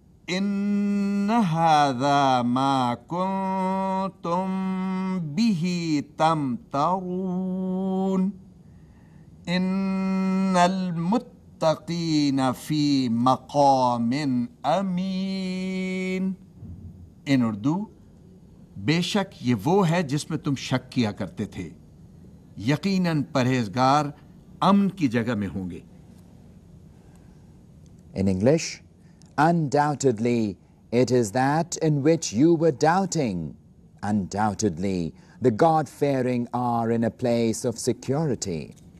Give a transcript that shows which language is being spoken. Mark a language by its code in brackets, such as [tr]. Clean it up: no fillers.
[ar] إن هذا ما كنتم به تمترون إن المتقين في مقام أمين. [en] إن اردو [ur] بے شک یہ وہ ہے جس میں تم شک کیا کرتے تھے، یقیناً پرہیزگار امن کی جگہ میں ہوں گے. [en] In English, undoubtedly, it is that in which you were doubting. Undoubtedly, the God-fearing are in a place of security.